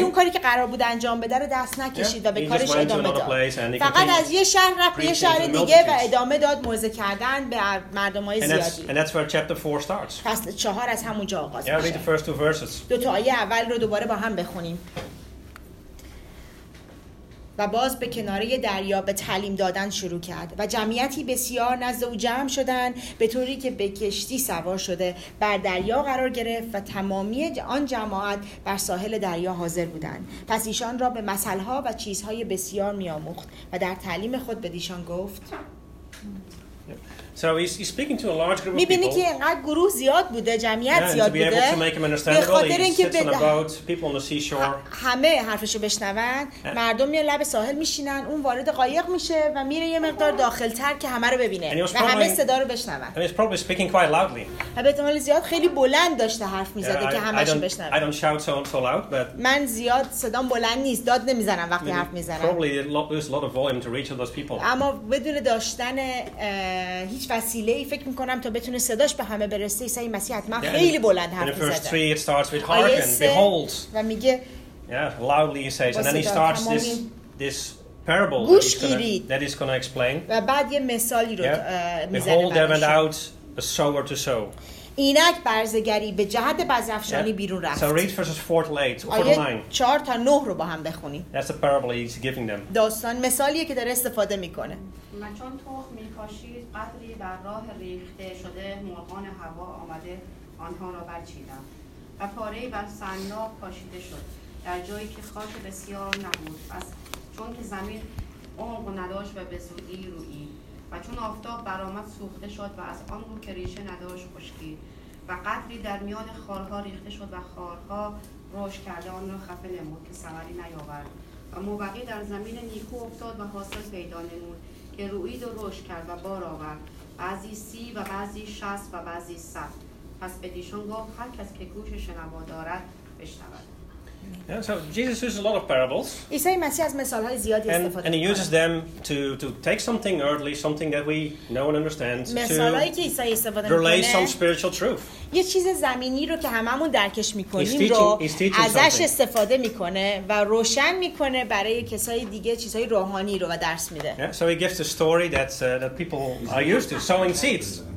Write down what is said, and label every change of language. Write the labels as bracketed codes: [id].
[fa] اون کاری که قرار بود انجام بده رو دست نکشید و به کارش ادامه داد. فقط از یه شهر رفت به یه شهر دیگه و ادامه داد موعظه کردن به مردمای زیادی. [en] And that's where chapter 4 starts. [fa] فصل 4 از همونجا آغاز میشه. [en] Read the first two verses. [fa] دو تا آیه اول رو دوباره با هم بخونیم. و باز به کناره دریا به تعلیم دادن شروع کرد و جمعیتی بسیار نزد او جمع شدند، به طوری که به کشتی سوار شده بر دریا قرار گرفت و تمامی آن جماعت بر ساحل دریا حاضر بودند. پس ایشان را به مثل‌ها و چیزهای بسیار می‌آموخت و در تعلیم خود به ایشان گفت. [en] So he's speaking to a large group of people. [fa] میبینی که اینقدر گروه زیاد بوده، جمعیت زیاد بوده. [en] Yeah, to be able to make him understandable. [fa] به خاطر اینکه [en] people on the seashore. [fa] همه حرفشو بشنون، مردم میان لب ساحل میشینن، اون وارد قایق میشه و میره یه مقدار داخل‌تر که همه رو ببینه و همه صدا رو بشنون. [en] And he's probably speaking quite loudly. [fa] احتمال زیاد خیلی بلند داشته حرف میزده که همشون بشنون. [en] I don't shout so loud, but [fa] من زیاد صدام بلند نیست، داد نمیزنم وقتی حرف میزنم. [en] Probably there's a lot of volume to reach those people. [fa] اما بدون داشتن هیچ وسیله ای فکر میکنم تا بتونه صداش به همه برسه، عیسی مسیح حتما خیلی بلند حرف میزده. [en] آیسه behold. [fa] و میگه [en] loudly he says, and then he starts this parable that he's gonna explain. [fa] و بعد یه مثالی رو میزنه. [en] Behold, there went out a sower to sow. [fa] اینک برزگری به جهت بزرفشانی بیرون رفت. [en] So read verses 4-9. [fa] آیه 4 تا 9 رو با هم بخونیم. [en] That's the parable he's giving them. [fa] داستان مثالیه که داره استفاده میکنه. و چون تخم میکاشید، قطری در راه ریخته شده مرغان هوا آمده آنها را برچیدن و پاره بر سنگلاخ کاشیده شد در جایی که خاک بسیار نبود، پس چون که زمین عمق نداشت و به زودی رویید و چون آفتاب برآمد سوخته شد و از آن رو که ریشه نداشت خشکید و قطری در میان خارها ریخته شد و خارها روش کرده آن را خفه نمود که ثمری نیاورد و موبقی در زمین نیکو افتاد و حاصل پیدا نمود که روید و روش کرد و بار آورد، بعضی 30 و بعضی 60 و بعضی 100. پس بدیشون گفت هر کس که گوش شنوا دارد بشنود. [en] Yeah, so Jesus uses a lot of parables. [fa] عیسی مسیح از مثال‌های زیادی استفاده می‌کنه. [en] And he uses them to take something earthly, something that we know and understand. [fa] مثال‌هایی که عیسی استفاده می‌کنه. [en] Relay some spiritual truth. [fa] یه چیز زمینی رو که هممون درکش می‌کنیم رو ازش استفاده می‌کنه و روشن می‌کنه برای کسای دیگه چیزهای روحانی رو و درس میده. [en] Yeah, so he gives a story that people are used to sowing seeds.